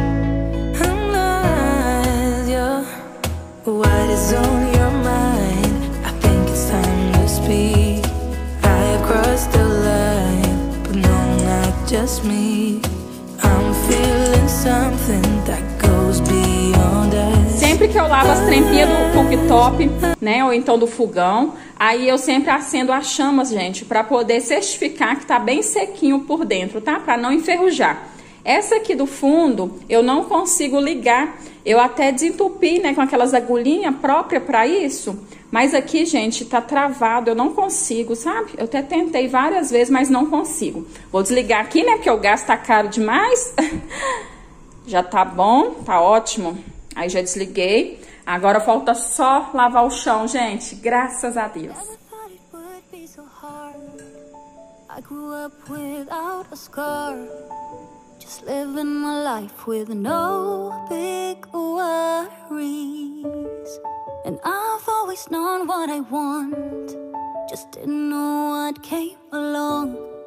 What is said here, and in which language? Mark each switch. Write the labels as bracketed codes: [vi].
[en] I'm lost, yeah. What is on your mind? I think it's time to speak. I have crossed the line, but no, not just me. I'm feeling something that goes beyond us. [pt] Sempre que eu lavo as trempinhas do cooktop, né, ou então do fogão, aí eu sempre acendo as chamas, gente, pra poder certificar que tá bem sequinho por dentro, tá? Pra não enferrujar. Essa aqui do fundo, eu não consigo ligar. Eu até desentupi, né, com aquelas agulhinhas próprias pra isso. Mas aqui, gente, tá travado, eu não consigo, sabe? Eu até tentei várias vezes, mas não consigo. Vou desligar aqui, né, porque o gás tá caro demais. Já tá bom, tá ótimo. Aí já desliguei. Agora falta só lavar o chão, gente. Graças a Deus. [en] I grew up without a scar, just living my life with no big worries. And I've always known what I want, just didn't know what came along.